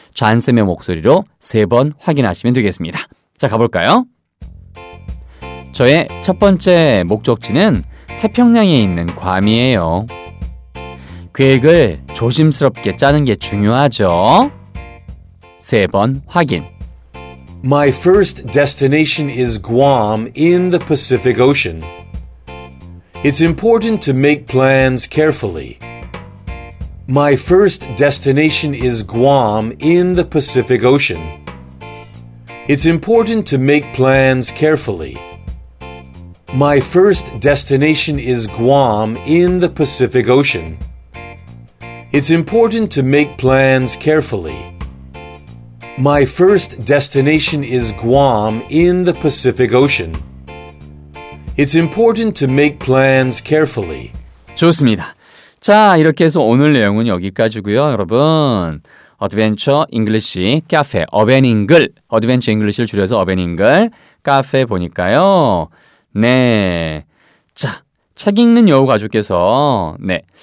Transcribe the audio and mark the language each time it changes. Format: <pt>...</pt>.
<ko>잔쌤의 목소리로 세 번 확인하시면 되겠습니다. 자, 가볼까요? 저의 첫 번째 목적지는 태평양에 있는 괌이에요. 계획을 조심스럽게 짜는 게 중요하죠. 세 번 확인.</ko> <en>My first destination is Guam in the Pacific Ocean. It's important to make plans carefully. My first destination is Guam in the Pacific Ocean. It's important to make plans carefully. My first destination is Guam in the Pacific Ocean. It's important to make plans carefully. My first destination is Guam in the Pacific Ocean. It's important to make plans carefully.</en> <ko>좋습니다. 자, 이렇게 해서 오늘 내용은 여기까지고요. 여러분, 어드벤처 잉글리시 카페 어벤잉글, 어드벤처 잉글리시를 줄여서 어벤잉글 카페 보니까요. 네, 자, 책 읽는 여우 가족께서 네.</ko>